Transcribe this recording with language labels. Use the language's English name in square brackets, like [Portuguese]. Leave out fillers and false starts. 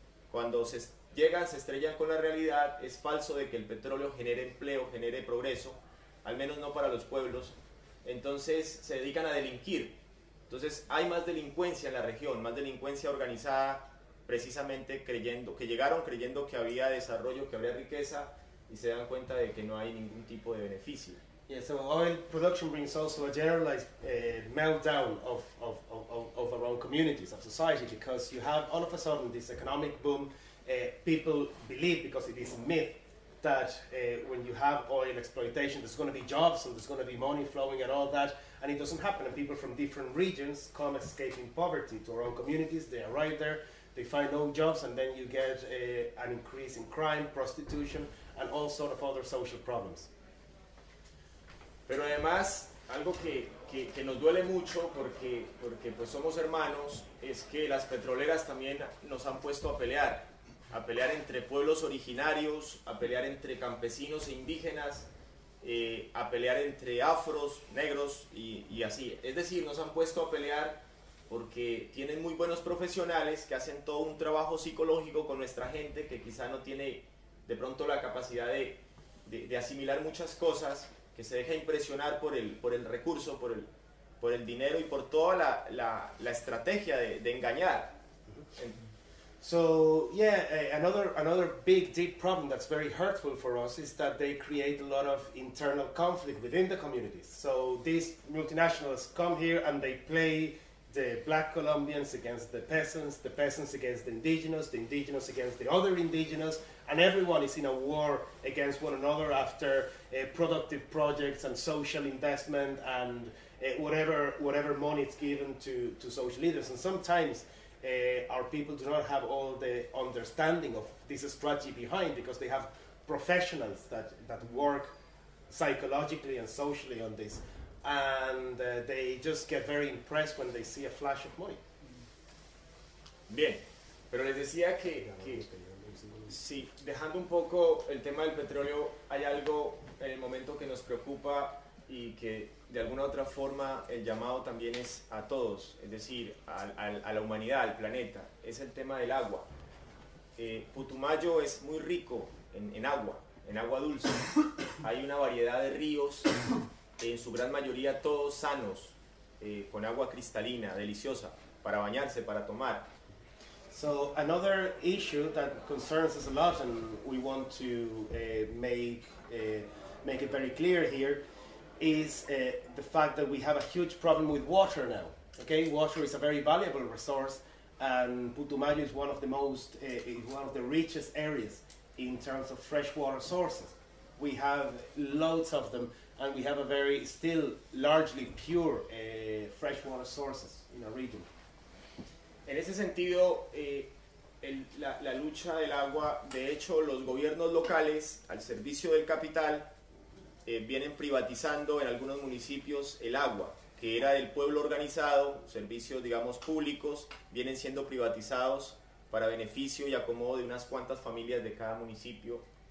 [Spanish] Cuando se estrellan con la realidad, es falso de que el petróleo genere empleo, genere progreso, al menos no para los pueblos. Entonces se dedican a delinquir. Entonces hay más delincuencia en la región, más delincuencia organizada, precisamente creyendo que había desarrollo, que habría riqueza, y se dan cuenta de que no hay ningún tipo de beneficio. [English] Yeah, so oil production brings also a generalized meltdown of our own communities, of society, because you have all of a sudden this economic boom. People believe, because it is a myth, that when you have oil exploitation, there's going to be jobs and there's going to be money flowing and all that, and it doesn't happen. And people from different regions come escaping poverty to our own communities. They arrive there, they find no jobs, and then you get an increase in crime, prostitution, and all sort of other social problems. [Spanish] Pero además, algo que nos duele mucho porque pues somos hermanos, es que las petroleras también nos han puesto a pelear entre pueblos originarios, a pelear entre campesinos e indígenas, a pelear entre afros, negros y así. Es decir, nos han puesto a pelear porque tienen muy buenos profesionales que hacen todo un trabajo psicológico con nuestra gente que quizá no tiene de pronto la capacidad de asimilar muchas cosas, que se deja impresionar por el recurso, por el dinero y por toda la estrategia de engañar. [English] So yeah, another big deep problem that's very hurtful for us is that they create a lot of internal conflict within the communities. So these multinationals come here and they play the black Colombians against the peasants against the indigenous against the other indigenous, and everyone is in a war against one another after productive projects and social investment and whatever money is given to social leaders. And sometimes our people do not have all the understanding of this strategy behind, because they have professionals that work psychologically and socially on this, and they just get very impressed when they see a flash of money. [Spanish] Bien, pero les decía que sí, dejando un poco el tema del petróleo, hay algo en el momento que nos preocupa y que de alguna u otra forma el llamado también es a todos, es decir, a la humanidad, al planeta, es el tema del agua. Putumayo es muy rico en agua dulce. Hay una variedad de ríos, en su gran mayoría todos sanos, con agua cristalina, deliciosa, para bañarse, para tomar. [English] So another issue that concerns us a lot and we want to make it very clear here is the fact that we have a huge problem with water now. Okay, water is a very valuable resource, and Putumayo is one of the most, one of the richest areas in terms of freshwater sources. We have loads of them, and we have a very still largely pure freshwater sources in our region. [Spanish] En ese sentido, la lucha del agua, de hecho, los gobiernos locales al servicio del capital. Vienen privatizando en algunos municipios el agua, que era del pueblo organizado, servicios, digamos, públicos, vienen siendo privatizados para beneficio y acomodo de unas cuantas familias de cada municipio.